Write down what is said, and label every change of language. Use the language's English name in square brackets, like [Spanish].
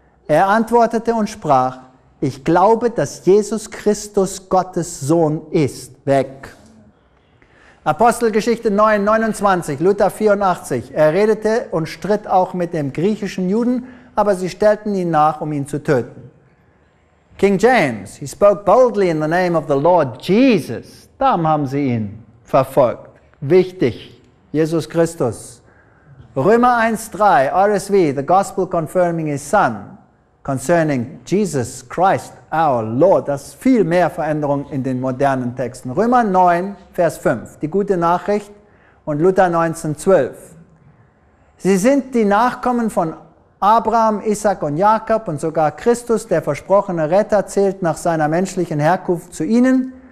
[German] Er antwortete und sprach, ich glaube, dass Jesus Christus Gottes Sohn ist. Weg. Apostelgeschichte 9, 29, Luther 84. Er redete und stritt auch mit dem griechischen Juden, aber sie stellten ihn nach, um ihn zu töten. [English] King James, he spoke boldly in the name of the Lord Jesus. [German] Darum haben sie ihn verfolgt. Wichtig, Jesus Christus. Römer 1, 3, RSV, [English] the gospel confirming his son. concerning Jesus Christ, our Lord. [German] Das ist viel mehr Veränderung in den modernen Texten. Römer 9, Vers 5, die gute Nachricht, und Luther 19, 12. Sie sind die Nachkommen von Abraham, Isaac und Jakob, und sogar Christus, der versprochene Retter, zählt nach seiner menschlichen Herkunft zu ihnen.